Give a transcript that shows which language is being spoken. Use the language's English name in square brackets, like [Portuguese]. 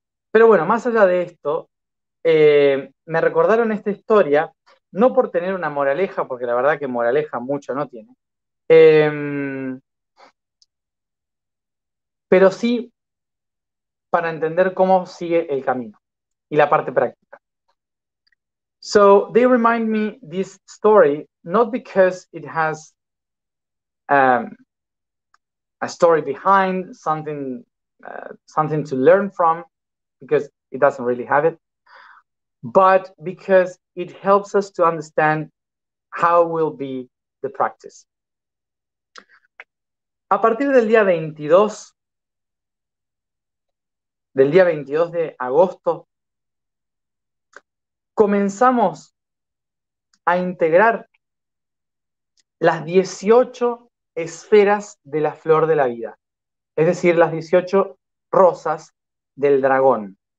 [Spanish] Pero bueno, más allá de esto, me recordaron esta historia, no por tener una moraleja, porque la verdad que moraleja mucho no tiene, pero sí para entender cómo sigue el camino y la parte práctica. [English] So they remind me this story, not because it has a story behind, something to learn from, because it doesn't really have it, but because it helps us to understand how will be the practice. [Spanish] A partir del día 22, del día 22 de agosto, comenzamos a integrar las 18 esferas de la flor de la vida, es decir, las 18 rosas del dragón.